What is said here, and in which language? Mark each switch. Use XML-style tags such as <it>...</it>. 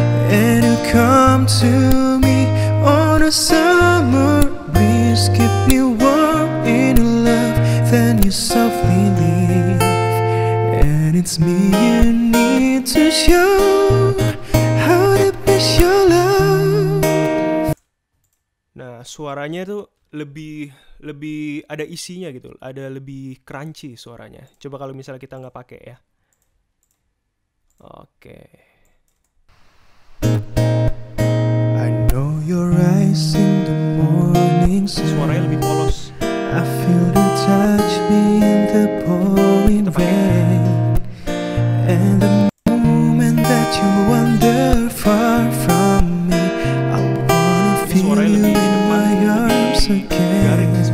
<en>And you come to me on a summer breeze, keep me warm in your love, then you softly leave. And it's me you need to show how deep is your love.</en> <id>Nah, suaranya tuh lebih ada isinya gitu, ada lebih crunchy suaranya. Coba kalau misalnya kita nggak pakai ya. Oke.</id> <en>I know your eyes in the morning sun.</en> <id>Suaranya lebih polos.</id> <en>I feel the touch me in the pouring rain. And the moment that you wander far from me, I wanna feel you in my arms again.</en>